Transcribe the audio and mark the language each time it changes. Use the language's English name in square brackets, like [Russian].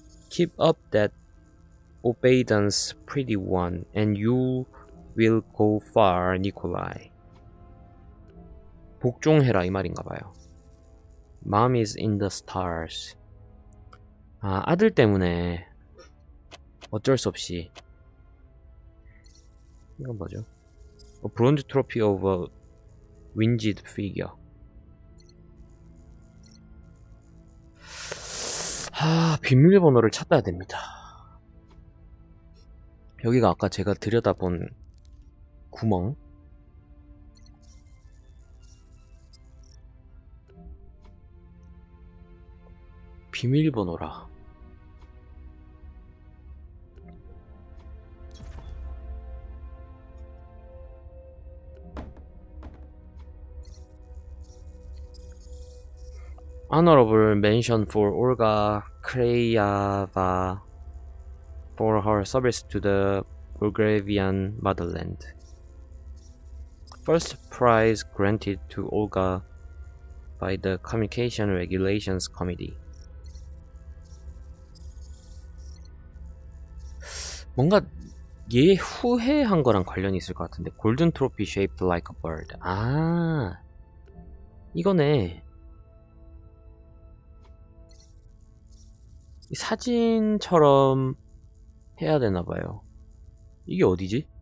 [English] Keep up that obedience, pretty one, and you will go far, Nikolai. [Korean] 복종해라 이 말인가 봐요. [English] Mom is in the stars. [Korean] 아, 아들 때문에 어쩔 수 없이. 이건 뭐죠? [English] A bronze trophy of a winged figure. [Korean] 하, 비밀번호를 찾아야 됩니다. 여기가 아까 제가 들여다본 구멍. 비밀번호라. [English] 아너러블 멘션 포 올가 크레이아바 포 허 서비스 투 더 불그레비안 마더랜드. First prize granted to Olga by the Communication Regulations Committee. [Korean] 뭔가 얘 후회한 거랑 관련이 있을 것 같은데. [English] Golden trophy shaped like a bird. [Korean] 아, 이거네. 사진처럼 해야 되나봐요. 이게 어디지?